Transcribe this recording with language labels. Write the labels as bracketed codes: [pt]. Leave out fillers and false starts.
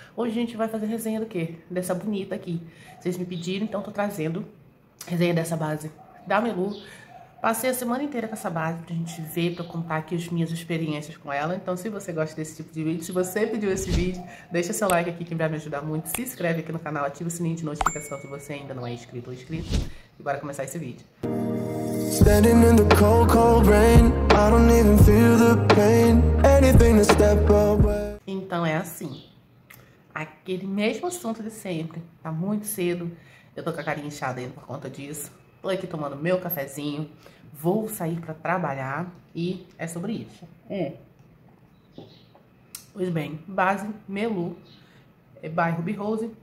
[pt] Hoje a gente vai fazer resenha do quê? Dessa bonita aqui. Vocês me pediram, então tô trazendo resenha dessa base da Melu. Passei a semana inteira com essa base pra gente ver, pra contar aqui as minhas experiências com ela. Então, se você gosta desse tipo de vídeo, se você pediu esse vídeo, deixa seu like aqui que vai me ajudar muito. Se inscreve aqui no canal, ativa o sininho de notificação se você ainda não é inscrito ou inscrito. E bora começar esse vídeo. [en] Standing in the cold, cold rain, I don't even feel the pain. Anything to step away. [pt] Então é assim. Aquele mesmo assunto de sempre. Tá muito cedo. Eu tô com a carinha inchada ainda por conta disso. Tô aqui tomando meu cafezinho. Vou sair pra trabalhar. E é sobre isso. Pois bem, base Melu. É bairro Ruby Rose.